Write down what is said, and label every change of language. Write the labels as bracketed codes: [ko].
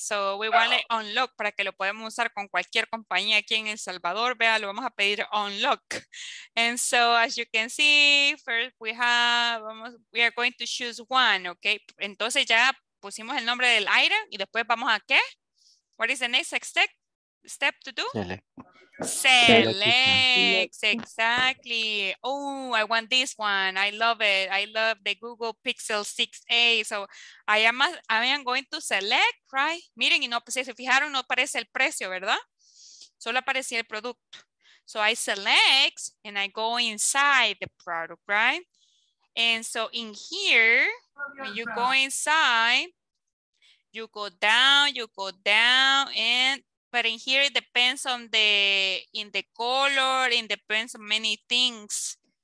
[en] So we want it unlock [es] para que lo podamos usar con cualquier compañía aquí en El Salvador. Vea, lo vamos a pedir unlock. [en] And so as you can see, first we have, we are going to choose one, okay? [es] Entonces ya pusimos el nombre del item y después vamos a qué? [en] What is the next step to do? Select. Exactly. Oh, I want this one. I love it. I love the Google Pixel 6a. So I am going to select, right? [es] Miren, y no, pues, si se fijaron, no aparece el precio, ¿verdad? Solo aparecía el producto. [en] So I select and I go inside the product, right? And so in here, when you go inside, you go down and but in here, it depends on the color, it depends on many things.